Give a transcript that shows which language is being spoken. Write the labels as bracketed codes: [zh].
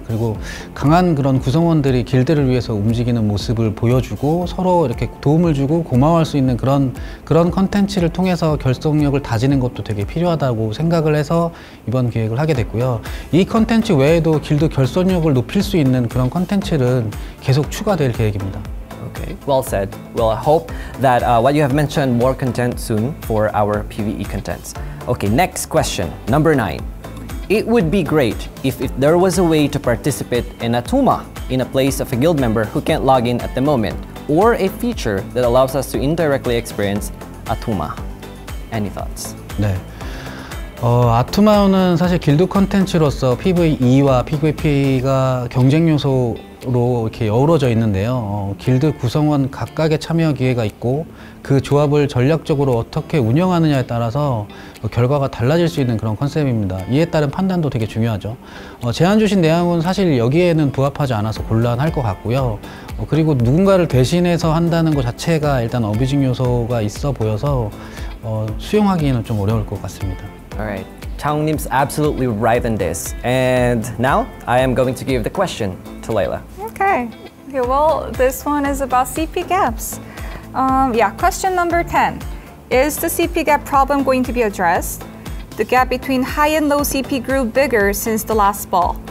[ko] 그리고 강한 그런 구성원들이 길드를 위해서 움직이는 모습을 보여주고 서로 이렇게 도움을 주고 고마워할 수 있는 그런 컨텐츠를 통해서 결속력을 다지는 것도 되게 필요하다고 생각을 해서 이번 기획을 하게 됐고요. 이 컨텐츠 외에도 길드 결속력을 높일 수 있는 그런 컨텐츠는 계속 추가될 계획입니다. [en] Okay, well said. Well, I hope that what you have mentioned, more content soon for our PvE contents. Okay, next question, number 9. It would be great if there was a way to participate in Atumach in a place of a guild member who can't log in at the moment, or a feature that allows us to indirectly experience Atumach. Any thoughts? [ko] 네. 아투마는 사실 길드 콘텐츠로서 PvE와 PvP가 경쟁 요소로 이렇게 어우러져 있는데요. 길드 구성원 각각의 참여 기회가 있고 그 조합을 전략적으로 어떻게 운영하느냐에 따라서 결과가 달라질 수 있는 그런 컨셉입니다. 이에 따른 판단도 되게 중요하죠. 제안 주신 내용은 사실 여기에는 부합하지 않아서 곤란할 것 같고요. 그리고 누군가를 대신해서 한다는 것 자체가 일단 어뷰징 요소가 있어 보여서 수용하기에는 좀 어려울 것 같습니다. [en] Alright, Chaungnim's absolutely right in this. And now, I am going to give the question to Layla. Okay, well, this one is about CP gaps. Question number 10. Is the CP gap problem going to be addressed? The gap between high and low CP grew bigger since the last ball.